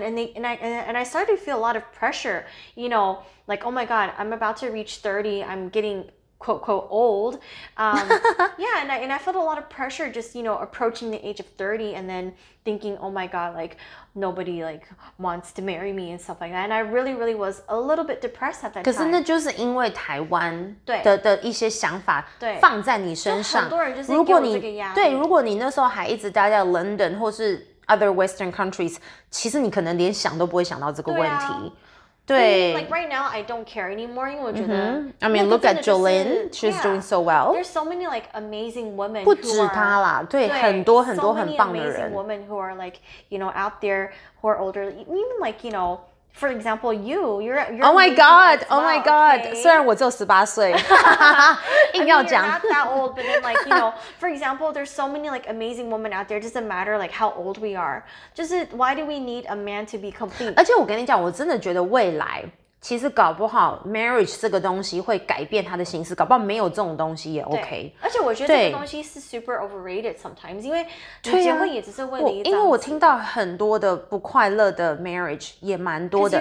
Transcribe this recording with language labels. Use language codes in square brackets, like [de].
[en] And I started to feel a lot of pressure, you know, like, oh my god, I'm about to reach 30, I'm getting, quote, quote, old. yeah, and I felt a lot of pressure just, you know, approaching the age of 30 and then thinking, oh my god, like,Nobody like wants to marry me and stuff like that. And I really, really was a little bit depressed at that time. [zh] 可是那就是因为台湾的一些想法放在你身上。很多人就是给我这个压力。对，如果你那时候还一直待在 London 或是 other Western countries, 其实你可能连想都不会想到这个问题。对。 [en] Like right now, I don't care anymore. 因为我觉得 I mean, look at Jolene. She's doing so well. There's so many like amazing women. [zh] 不止她啦，对，很多很多很棒的人。 [en] So many amazing women who are like, you know, out there who are older. Even like, you know, for example, you're Oh my God! Oh my God! 虽然我只有十八岁，硬要讲。 I mean, you're not that old, but then like, you know, for example, there's so many like amazing women out there. It doesn't matter like how old we are. 就是 why do we need a man to be complete? [zh] 而且我跟你讲，我真的觉得未来。其实搞不好 marriage 这个东西会改变它的形式，搞不好没有这种东西也 OK。而且我觉得这个东西是 super overrated sometimes，因为你结婚也只是为了一张纸。因为我听到很多的不快乐的 marriage 也蛮多的。